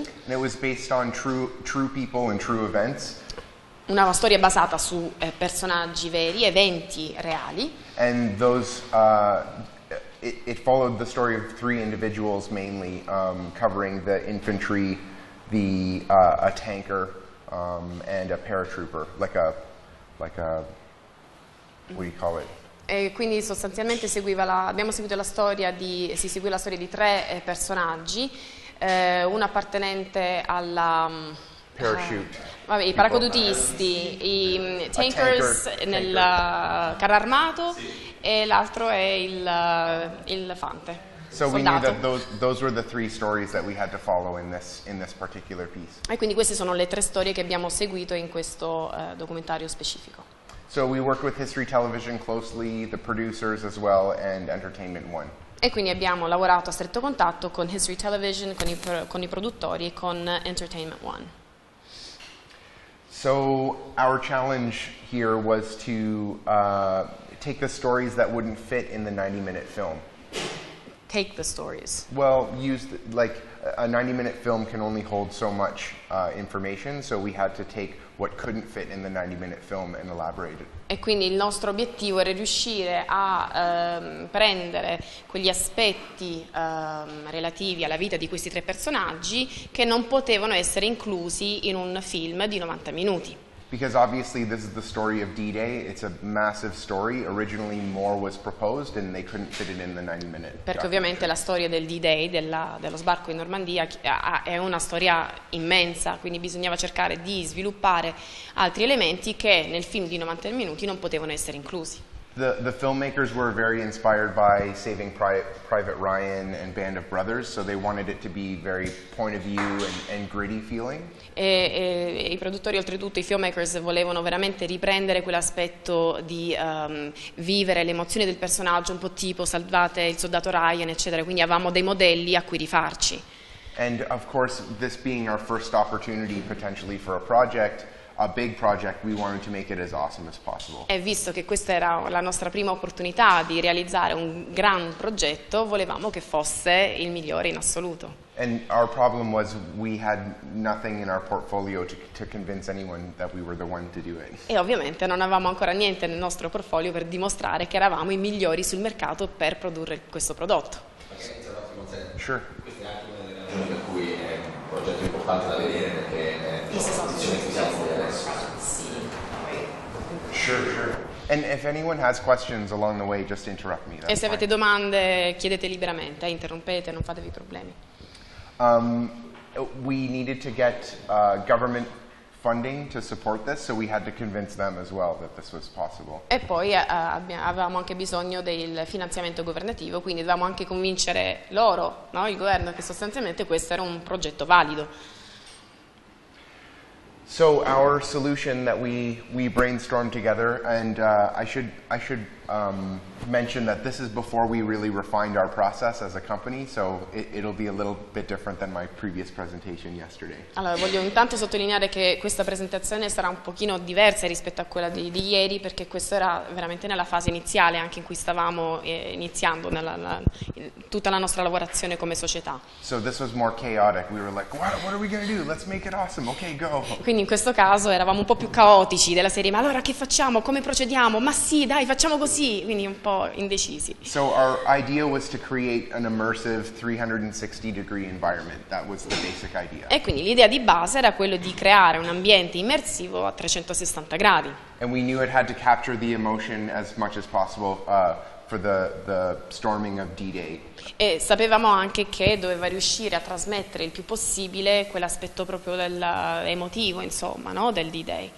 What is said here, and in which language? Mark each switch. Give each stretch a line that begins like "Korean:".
English: And it was based on true people and true events.
Italian: Una storia basata su personaggi veri, eventi reali.
English: And those It followed the story of three individuals mainly, covering the infantry, a tanker, and a paratrooper, like a what do you call it?
Italian: E quindi sostanzialmente si seguì la storia di tre personaggi, un appartenente alla i paracadutisti, i tankers nel carro armato, sì. E l'altro è il fante.
English: So we knew that those were the three stories that we had to follow in this particular piece.
Italian: E quindi queste sono le tre storie che abbiamo seguito in questo documentario specifico.
English: So we worked with History Television closely, the producers as well, and Entertainment One.
Italian: E quindi abbiamo lavorato a stretto contatto con History Television, con i produttori e con Entertainment One.
English: So our challenge here was to take the stories that wouldn't fit in the 90-minute film. Take the stories. Well, a 90-minute film can only hold so much information, so we had to take what couldn't fit in the 90-minute film and elaborate it.
Italian: E quindi il nostro obiettivo era riuscire a prendere quegli aspetti relativi alla vita di questi tre personaggi che non potevano essere inclusi in un film di 90 minuti.
English: because obviously this is the story of D-Day. It's a massive story. Originally more was proposed and they couldn't fit it in the 90 minute.
Italian: Perché ovviamente la storia del D-Day, dello sbarco in Normandia, è una storia immensa, quindi bisognava cercare di sviluppare altri elementi che nel film di 90 minuti non potevano essere inclusi.
English: The filmmakers were very inspired by Saving Private Ryan and Band of Brothers, so they wanted it to be very point of view and gritty feeling.
Italian: E I produttori, oltretutto, I filmmakers volevano veramente riprendere quell'aspetto di vivere le emozioni del personaggio, un po' tipo Salvate il soldato Ryan, eccetera. Quindi avevamo dei modelli a cui rifarci.
English: And of course, this being our first opportunity potentially for a project. A big project, we wanted to make it as awesome as possible.
Italian: E visto che questa era la nostra prima opportunità di realizzare un gran progetto, volevamo che fosse il migliore in assoluto.
English: And our problem was we had nothing in our portfolio to convince anyone that we were the one to do it.
Italian: E ovviamente non avevamo ancora niente nel nostro portfolio per dimostrare che eravamo I migliori sul mercato per produrre questo prodotto.
English: Okay, sure. Sure. And if anyone has questions along the way, just interrupt me.
Italian: E se avete domande, chiedete liberamente, interrompete, non fatevi problemi.
English: We needed to get government funding to support this, so we had to convince them as well that this was possible.
Italian: E poi avevamo anche bisogno del finanziamento governativo, quindi dovevamo anche convincere loro, no, il governo, che sostanzialmente questo era un progetto valido.
English: So our solution that we brainstormed together, and I should mention that this is before we really refined our process as a company, so it'll be a little bit different than my previous presentation yesterday.
Italian: Allora, voglio intanto sottolineare che questa presentazione sarà un pochino diversa rispetto a quella di ieri, perché questa era veramente nella fase iniziale, anche in cui stavamo iniziando tutta la nostra lavorazione come società.
English: So this was more chaotic. We were like, what are we going to do? Let's make it awesome. Okay, go.
Italian: Quindi in questo caso eravamo un po' più caotici della serie, ma allora che facciamo? Come procediamo? Ma sì, dai, facciamo così. Quindi un po' indecisi.
English: So our idea was to create an immersive 360 degree environment. That was the basic idea.
Italian: E quindi l'idea di base era quello di creare un ambiente immersivo a 360 gradi.
English: And we knew it had to capture the emotion as much as possible for the storming of D-Day.
Italian: E sapevamo anche che doveva riuscire a trasmettere il più possibile quell'aspetto proprio del emotivo, insomma, no, del D-Day.